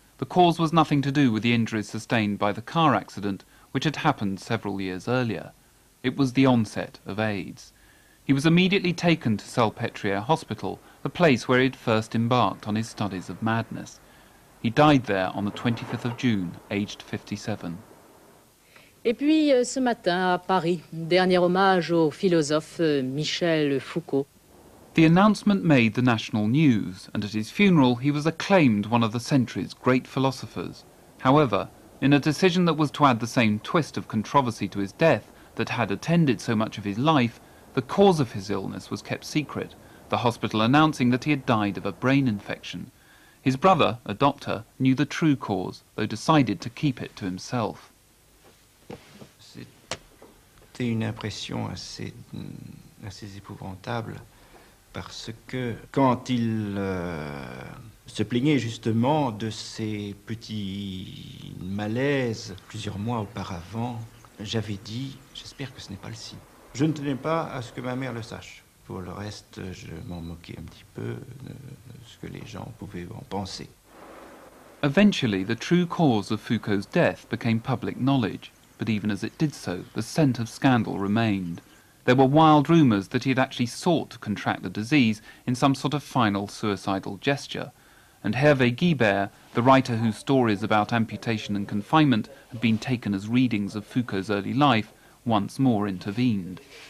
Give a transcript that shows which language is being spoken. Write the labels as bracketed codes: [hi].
[en] The cause was nothing to do with the injuries sustained by the car accident, which had happened several years earlier. It was the onset of AIDS. He was immediately taken to Salpetriere Hospital, the place where he had first embarked on his studies of madness. He died there on the 25th of June, aged 57. [fr] Et puis ce matin à Paris, dernier hommage au philosophe Michel Foucault. [en] The announcement made the national news, and at his funeral he was acclaimed one of the century's great philosophers. However, in a decision that was to add the same twist of controversy to his death that had attended so much of his life, the cause of his illness was kept secret, the hospital announcing that he had died of a brain infection. His brother, a doctor, knew the true cause, though decided to keep it to himself. [fr] C'était une impression assez épouvantable. Parce que quand il se plaignait justement de ses petits malaises plusieurs mois auparavant, j'avais dit, j'espère que ce n'est pas le signe. Je ne tenais pas à ce que ma mère le sache. Pour le reste, je m'en moquais un petit peu de ce que les gens pouvaient en penser. [en] Eventually, the true cause of Foucault's death became public knowledge, but even as it did so, the scent of scandal remained. There were wild rumours that he had actually sought to contract the disease in some sort of final suicidal gesture. And Hervé Guibert, the writer whose stories about amputation and confinement had been taken as readings of Foucault's early life, once more intervened.